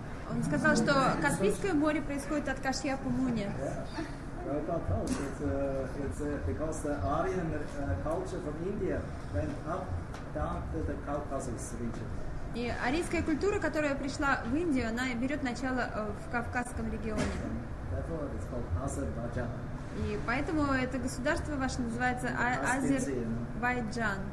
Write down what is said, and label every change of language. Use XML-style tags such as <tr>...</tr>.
<ru>Он сказал, что Каспийское море происходит от Кашьяпа Муни.</ru> <en>Because the Aryan culture from India went up down to the Caucasus region.</en> <ru>И арийская культура, которая пришла в Индию, она берет начало в Кавказском регионе.</ru> <en>Therefore it's called Azerbaijan.</en> <ru>И поэтому это государство ваше называется Азербайджан.</ru>